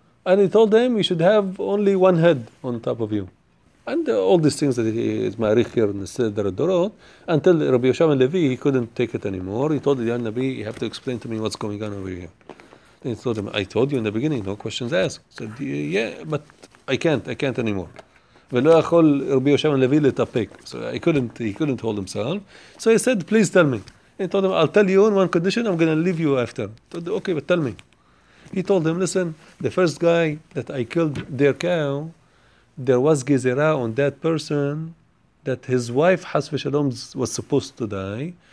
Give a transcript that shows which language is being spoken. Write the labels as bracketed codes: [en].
[en] And he told them, you should have only one head on top of you. And all these things that he is ma'arich here in the Seder Dorot, until Rabbi Yoshua and Levi, he couldn't take it anymore. He told the young Nabi, you have to explain to me what's going on over here. Then he told him, I told you in the beginning, no questions asked. He said, yeah, but I can't anymore. [he] ולא יכול רבי יושב לוי לתפק. [en] So he couldn't hold himself. So he said, please tell me. And he told him, I'll tell you in one condition, I'm going to leave you after. He told him, okay, but tell me. He told him, listen, the first guy that I killed their cow, there was gezera on that person that his wife, Chas v'Shalom, was supposed to die.